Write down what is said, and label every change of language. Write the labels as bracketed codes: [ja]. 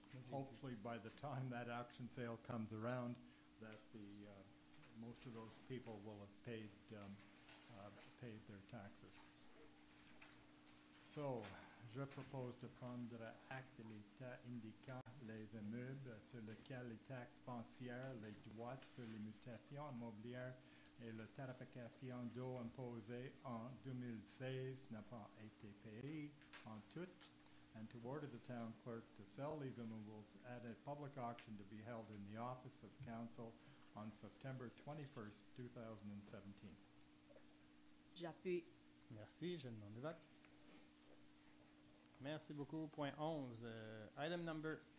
[en] Hopefully by the time that auction sale comes around that the most of those people will have paid paid their taxes. [fr] So, je propose de prendre acte de l'état indiquant les immeubles sur lesquels les taxes foncières, les droits sur les mutations immobilières et la tarification d'eau imposée en 2016 n'a pas été payée en tout. [en] And to order the town clerk to sell these immovables at a public auction to be held in the office of council on September 21st, 2017. [fr] J'appuie. Merci, je demande le vote. Merci beaucoup. Point 11. [en] Item number